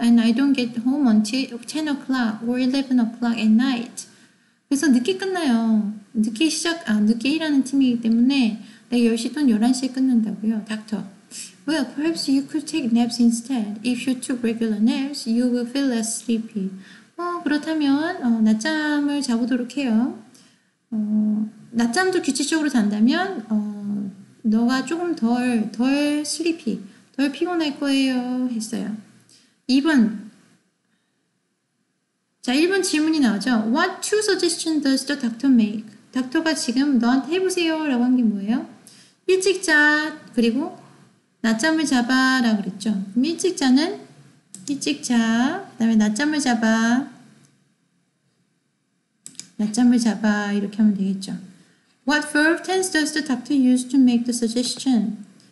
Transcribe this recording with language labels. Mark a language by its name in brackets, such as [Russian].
[English] And I don't get home until 10 o'clock or 11 o'clock at night. [Korean] 그래서 늦게 끝나요. 늦게 일하는 팀이기 때문에 내가 10시 또는 11시에 끝난다고요, 닥터. [English] Well, perhaps you could take naps instead. If you took regular naps, you will feel less sleepy. [Korean] 그렇다면 낮잠을 자보도록 해요. 낮잠도 규칙적으로 잔다면 너가 조금 덜 [English] sleepy, [Korean] 덜 피곤할 거예요. 했어요. 2번. 자, 1번 질문이 나오죠. [English] What two suggestions does the doctor make? [Korean] 닥터가 지금 너한테 해보세요 라고 한 게 뭐예요? 일찍 자, 그리고 낮잠을 잡아 라고 그랬죠. 그럼 일찍 자는? 일찍 자, 그 다음에 낮잠을 잡아. 낮잠을 잡아, 이렇게 하면 되겠죠. [English] What verb tense does the doctor use to make the suggestion?